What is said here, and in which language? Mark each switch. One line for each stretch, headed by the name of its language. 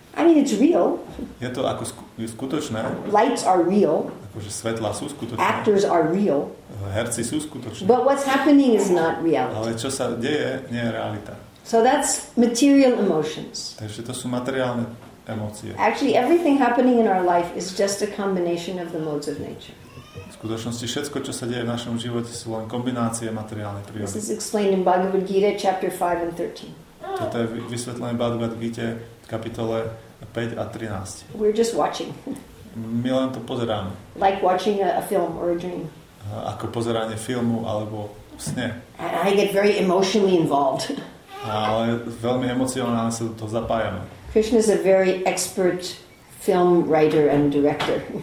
English: I mean it's real.
Slovak: Je to ako skutočné.
English: Lights are real.
Slovak: Akože svetlá sú skutočné.
English: Actors are real.
Slovak: Herci sú skutoční.
English: But what's happening is not reality.
Slovak: Ale čo sa deje, nie je realita.
English: So that's material emotions.
Slovak: Takže to sú materiálne emócie.
English: Actually everything happening in our life is just a combination of the modes of nature.
Slovak: V skutočnosti všetko, čo sa deje v našom živote, sú len kombinácie materiálnej prírody.
English: This is explained in Bhagavad Gita, chapter 5 and 13.
Slovak: Toto je vysvetlené v Bhagavad Gita, kapitole 5 a 13.
English: We're just watching.
Slovak: My len to pozeráme.
English: Like watching a film or a dream.
Slovak: Ako pozeranie filmu alebo sne.
English: And I get very emotionally involved.
Slovak: Ale veľmi emocionálne sa do toho zapájame.
English: Krishna is a very expert film writer and director.